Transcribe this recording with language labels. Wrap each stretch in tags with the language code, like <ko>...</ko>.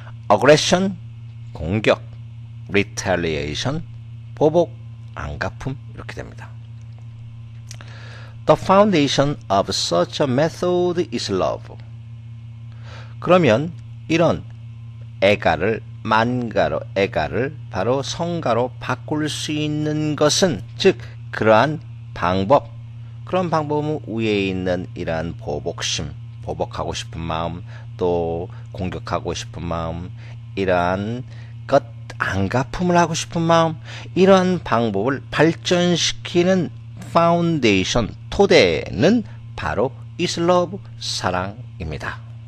<ko>aggression 공격 retaliation 보복 안 갚음 이렇게 됩니다.</ko> <en>The foundation of such a method is love.</en> <ko>그러면 이런 애가를 만가로 애가를 바로 성가로 바꿀 수 있는 것은 즉 그러한 방법 그런 방법은 위에 있는 이러한 보복심, 보복하고 싶은 마음, 또 공격하고 싶은 마음, 이러한 것안 갚음을 하고 싶은 마음, 이러한 방법을 발전시키는 파운데이션, 토대는 바로</ko> <en>is love,</en> <ko>사랑입니다.</ko>